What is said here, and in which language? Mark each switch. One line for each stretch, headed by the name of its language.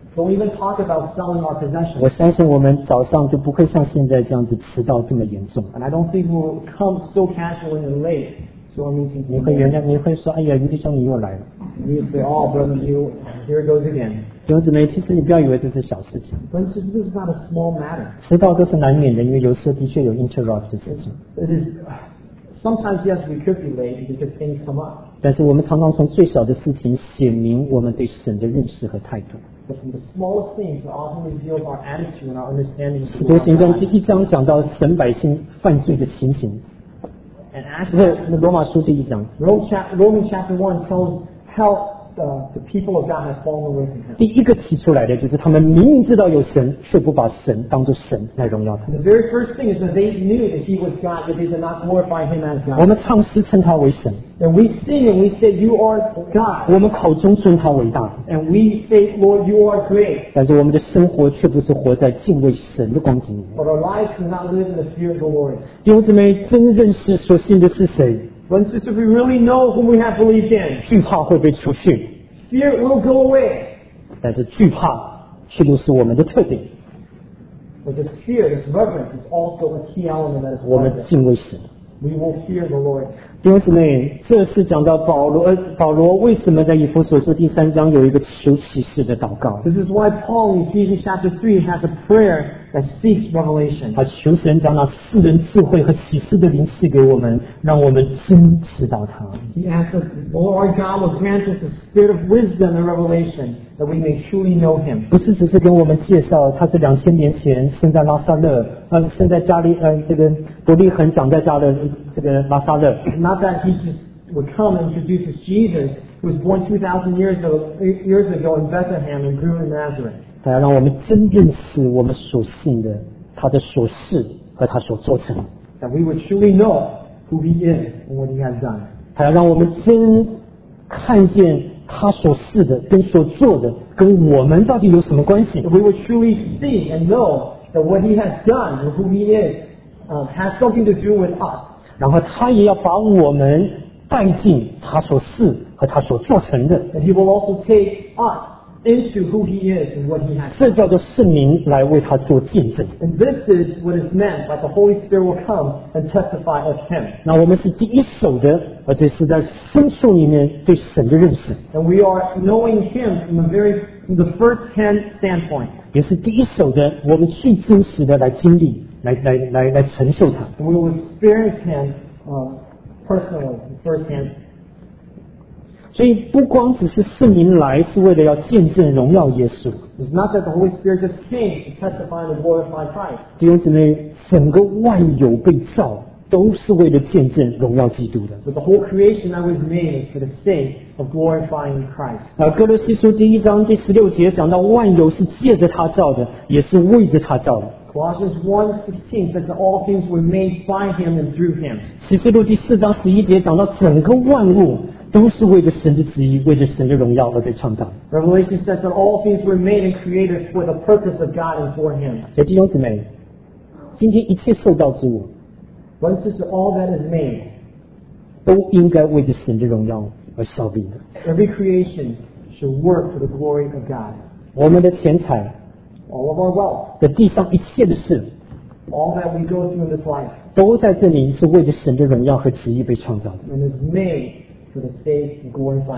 English: Don't even talk about selling our possessions.
Chinese: 我相信我们早上就不会像现在这样子迟到这么严重。
English: And I don't think we'll come so casually and late to our meeting.
Chinese: 你会原谅，你会说，哎呀，余弟兄你又来了。
English: You say, oh, brother, you here goes again.
Chinese: 弟兄姊妹，其实你不要以为这是小事情。
English: But this is not a small matter.
Chinese: 迟到都是难免的，因为有时候的确有 interrupt 的事情。
English: It is sometimes yes, we could be late because things come up.
Chinese: 但是我们常常从最小的事情显明我们对神的认识和态度。
English: But from the smallest things, it often reveals our attitude and our understanding.
Chinese: 使徒行传第一章讲到神百姓犯罪的情形。
English: And actually,
Chinese: 罗马书第一章。
English: Romans chapter 1 tells how the people of God have fallen away from Him.
Chinese: 第一个提出来的就是他们明明知道有神，却不把神当作神来荣耀他。
English: The very first thing is that they knew that He was God, but they did not glorify Him as God.
Chinese: 我们唱诗称他为神。
English: And we sing and we say, You are God.
Chinese: 我们口中尊他伟大。
English: And we say, Lord, You are great.
Chinese: 但是我们的生活却不是活在敬畏神的光景里。
English: But our lives do not live in the fear of the Lord.
Chinese: 弟兄姊妹，真认识所信的是谁？
English: When sister, we really know whom we have believed in.
Chinese: 惧怕会被除去。
English: Fear will go away.
Chinese: 但是惧怕却不是我们的特点。
English: But this fear, this reverence, is also a key element that is.
Chinese: 我们敬畏神。
English: we will fear the Lord.
Chinese: 弟兄姊妹，这是讲到保罗为什么在以弗所书第三章有一个求启示的祷告。
English: This is why Paul in Ephesians chapter 3 has a prayer that seeks revelation.
Chinese: 他求神将那赐人智慧和启示的灵赐给我们，让我们真知道他。
English: He asks that the Lord our God will grant us a spirit of wisdom and revelation that we may truly know Him.
Chinese: 不是只是跟我们介绍他是两千年前生在拉撒勒，生在加利这个伯利恒长在加勒这个拉撒勒。
English: Not that he just would come and introduce Jesus, who was born 2,000 years ago in Bethlehem and grew in Nazareth.
Chinese: 他要让我们真认识我们所信的，他的所事和他所做成。
English: That we would truly know who he is and what he has done.
Chinese: 他要让我们真看见他所事的跟所做的跟我们到底有什么关系。
English: That we would truly see and know that what he has done and who he is, has something to do with us.
Chinese: 然后他也要把我们带进他所是和他所做成的。
English: And he will also take us into who he is and what he has.
Chinese: 这叫做圣灵来为他做见证。
English: And this is what is meant that the Holy Spirit will come and testify of him.
Chinese: 那我们是第一手的，而且是在深处里面对神的认识。
English: And we are knowing him from a very from the first hand standpoint.
Chinese: 也是第一手的，我们最真实的来经历。来承受他。
English: We will experience him personally, firsthand.
Chinese: 所以不光只是圣灵来是为了要见证荣耀耶稣。
English: It's not that the Holy Spirit just came to testify and glorify Christ.
Chinese: 弟兄姊妹，整个万有被造都是为了见证荣耀基督的。
English: But the whole creation that was made is for the sake of glorifying Christ.
Chinese: 哥罗西书第一章第十六节讲到万有是借着他造的，也是为着他造的。
English: Colossians 1:16 says that all things were made by him and through him.
Chinese: 启示录第四章十一节讲到整个万物都是为着神的旨意，为着神的荣耀而被创造。
English: Revelation says that all things were made and created for the purpose of God and for him.
Chinese: 弟兄姊妹，今天一切受造之物
English: ，One says all that is made，
Chinese: 都应该为着神的荣耀而效力的。
English: Every creation should work for the glory of God.
Chinese: 我们的钱财。
English: All of our wealth,
Chinese: 的地上一切的事
English: all that we go through in this life,
Chinese: 都在这里是为着神的荣耀和旨意被创造的。
English: And is made for the sake of glorifying God.